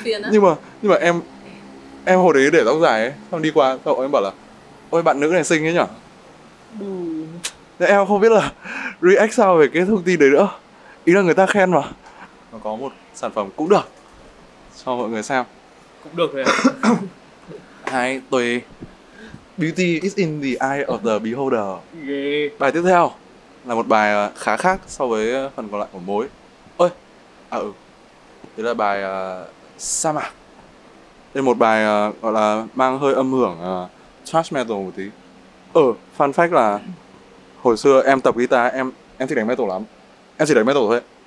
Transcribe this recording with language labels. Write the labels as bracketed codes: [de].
[vi] Nhưng mà em hồi đấy để tóc dài ấy, xong đi qua cậu em bảo là ôi bạn nữ này xinh ấy nhở. Em không biết là react sao về cái thông tin đấy nữa. Ý là người ta khen mà. Nó có một sản phẩm cũng được cho mọi người xem. Cũng được rồi. Hay tùy. [en] Beauty is in the eye of the beholder. Yeah. [vi] Bài tiếp theo là một bài khá khác so với phần còn lại của mối. Ôi. À ừ. Đấy là bài Sa Mạc. Đây là một bài gọi là mang hơi âm hưởng thrash metal một tí. Fun fact là hồi xưa em tập guitar, em thích đánh metal lắm. Em chỉ đánh metal thôi.